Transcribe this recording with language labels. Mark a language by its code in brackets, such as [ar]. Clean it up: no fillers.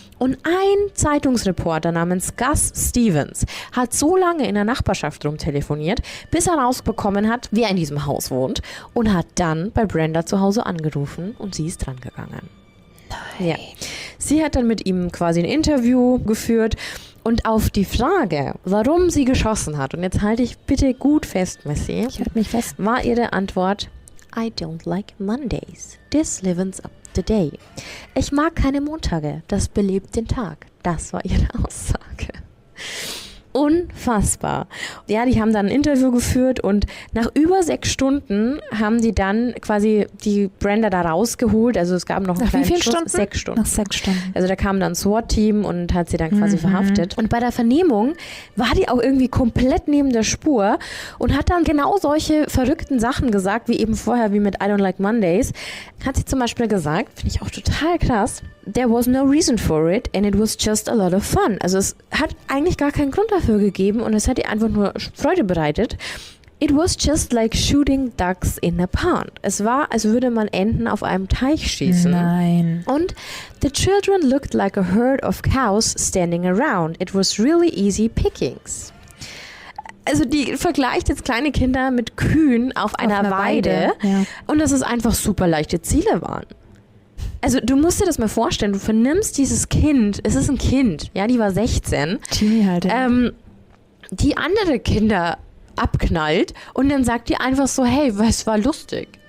[de] Und ein Zeitungsreporter namens Gus Stevens hat so lange in der Nachbarschaft rumtelefoniert, bis er rausbekommen hat, wer in diesem Haus wohnt und hat dann bei Brenda zu Hause angerufen und sie ist drangegangen. Nein. Ja. Sie hat dann mit ihm quasi ein Interview geführt und auf die Frage, warum sie geschossen hat, und jetzt halte ich bitte gut fest, Messi, ich halte mich fest, war ihre Antwort, [en] I don't like Mondays. This livens up the day. [de] Ich mag keine Montage. Das belebt den Tag. Das war ihre Aussage. Unfassbar. Ja, die haben dann ein Interview geführt und nach über 6 Stunden haben sie dann quasi die Brenda da rausgeholt. Also es gab noch einen kleinen Schuss. Stunden? 6 Stunden. Nach 6 Stunden. Also da kam dann ein SWAT-Team und hat sie dann quasi verhaftet. Und bei der Vernehmung war die auch irgendwie komplett neben der Spur und hat dann genau solche verrückten Sachen gesagt, wie eben vorher, wie mit [en] I Don't Like Mondays. [de] Hat sie zum Beispiel gesagt, finde ich auch total krass, [en] there was no reason for it and it was just a lot of fun. [de] Also es hat eigentlich gar keinen Grund dafür gegeben und es hat ihr einfach nur Freude bereitet. [en] It was just like shooting ducks in a pond. [de] Es war, als würde man Enten auf einem Teich schießen. Nein. [en] Und the children looked like a herd of cows standing around. It was really easy pickings. [de] Also die vergleicht jetzt kleine Kinder mit Kühen auf einer Weide. Ja. Und dass es einfach super leichte Ziele waren. Also du musst dir das mal vorstellen, du vernimmst dieses Kind, es ist ein Kind, ja, die war 16, die andere Kinder abknallt und dann sagt die einfach so, hey, was war lustig?